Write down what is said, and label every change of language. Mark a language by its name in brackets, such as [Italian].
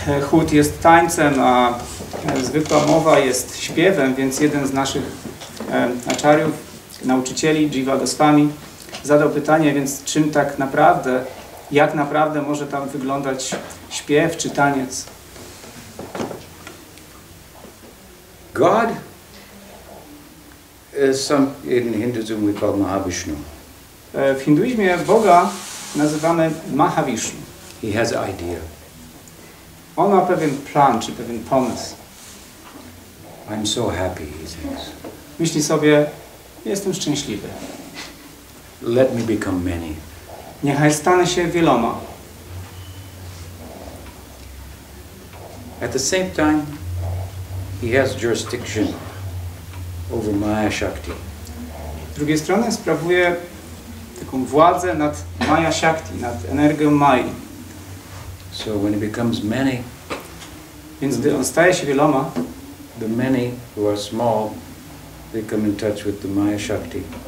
[Polish] chód jest tańcem, a zwykła mowa jest śpiewem, więc jeden z naszych acharyów, nauczycieli, Jiva Goswami, zadał pytanie, więc czym tak naprawdę, jak naprawdę może tam wyglądać śpiew czy taniec? [English] God is some, in Hinduism we call Mahavishnu. [Polish] W hinduizmie Boga nazywamy Mahavishnu. [English] He has an idea. [Polish] On ma pewien plan, czy pewien pomysł. [English] I'm so happy, he thinks. [Polish] Myśli sobie, jestem szczęśliwy. [English] Let me become many. [Polish] Niechaj stanę się wieloma. [English] At the same time, he has jurisdiction over Maya Shakti. [Polish] Z drugiej strony sprawuje taką władzę nad Maya Shakti, nad energią Mai. [English] So when he becomes many, [Polish] więc gdy on staje się wieloma, [English] the many who are small, they come in touch with the Maya Shakti.